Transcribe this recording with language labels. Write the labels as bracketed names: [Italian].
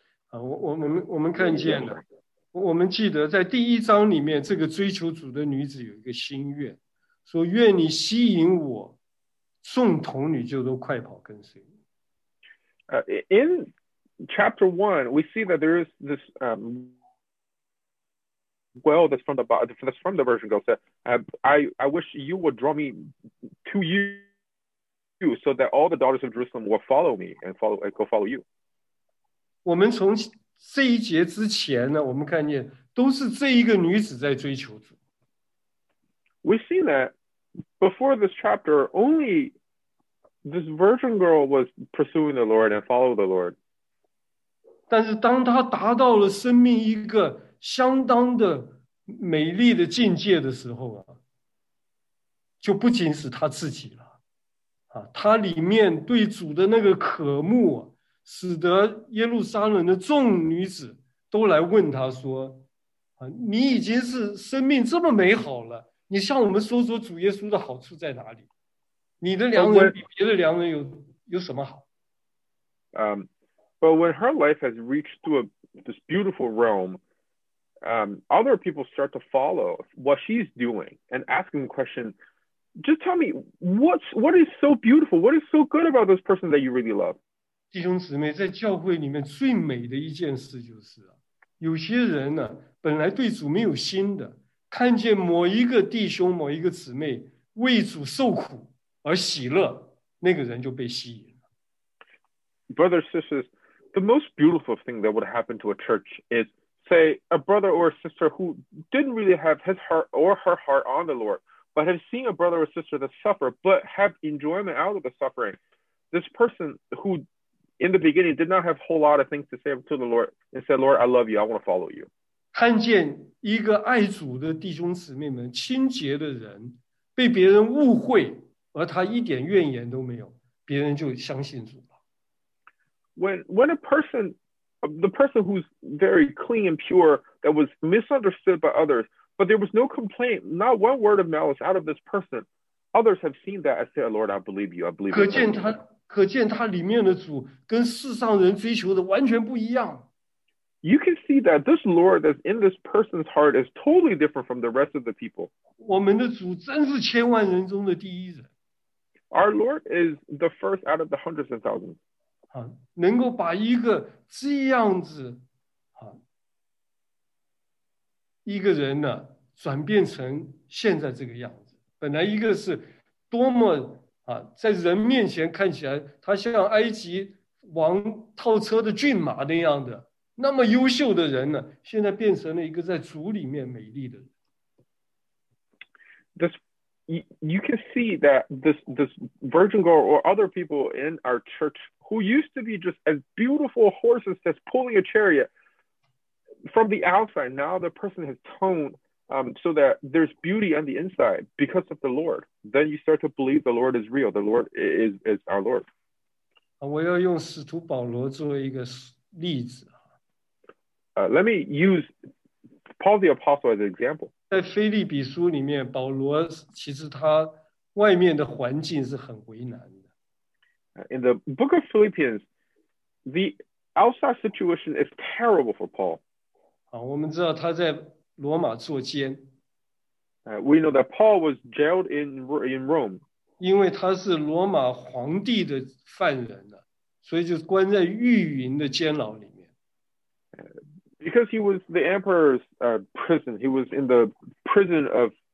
[Chinese] 我们看见了，我们记得在第一章里面，这个追求主的女子有一个心愿，说愿你吸引我，众童女就都快跑跟随。 [English] In chapter 1, we see that there is this well that's from the virgin girl. Said, I wish you would draw me to you so that all the daughters of Jerusalem will follow me and go follow you. [Chinese] 我们从这一节之前呢，我们看见都是这一个女子在追求主。 [English] We see that before this chapter, only this virgin girl was pursuing the Lord and followed the Lord. [Chinese] 但是当她达到了生命一个相当的美丽的境界的时候啊，就不仅是她自己了，啊，她里面对主的那个渴慕啊，使得耶路撒冷的众女子都来问她说，啊，你已经是生命这么美好了，你向我们说说主耶稣的好处在哪里？你的良人比别的良人有什么好？ [English] But when her life has reached to this beautiful realm, other people start to follow what she's doing and asking the question, just tell me, what is so beautiful? What is so good about this person that you really love? [Chinese] 弟兄姊妹，在教会里面最美的一件事就是，有些人呢，本来对主没有心的，看见某一个弟兄、某一个姊妹为主受苦而喜乐，那个人就被吸引了。 [English] Brothers, sisters, the most beautiful thing that would happen to a church is, say, a brother or a sister who didn't really have his heart or her heart on the Lord, but have seen a brother or sister that suffer, but have enjoyment out of the suffering. This person who, in the beginning, did not have a whole lot of things to say to the Lord and said, Lord, I love you, I want to follow you. [Chinese] 看见一个爱主的弟兄姊妹们，清洁的人，被别人误会，而他一点怨言都没有，别人就相信主了。 [English] When a person, the person who's very clean and pure, that was misunderstood by others, but there was no complaint, not one word of malice out of this person, others have seen that and said, Lord, I believe you, I believe you. [Chinese] 可见他里面的主跟世上人追求的完全不一样。 [English] You can see that this Lord that's in this person's heart is totally different from the rest of the people. [Chinese] 我们的主真是千万人中的第一人。 [English] Our Lord is the first out of the hundreds and thousands. [Chinese] 能够把一个这样子，一个人呢，转变成现在这个样子。本来一个是多么啊，在人面前看起来，他像埃及王套车的骏马那样的，那么优秀的人呢，现在变成了一个在主里面美丽的人。 [English] You can see that this virgin girl or other people in our church who used to be just as beautiful horses that's pulling a chariot from the outside, now the person has toned so that there's beauty on the inside because of the Lord. Then you start to believe the Lord is real. The Lord is our Lord. [Chinese] 我要用使徒保罗作为一个例子。 [English] Let me use Paul the Apostle as an example. [Chinese] 在腓立比书里面，保罗其实他外面的环境是很为难的。 [English] In the book of Philippians, the outside situation is terrible for Paul. [Chinese] 好，我们知道他在罗马坐监。 [English] We know that Paul was jailed in Rome. [Chinese] 因为他是罗马皇帝的犯人呢，所以就关在御营的监牢里面。 [English] Because he was the emperor's prison, he was in the prison of,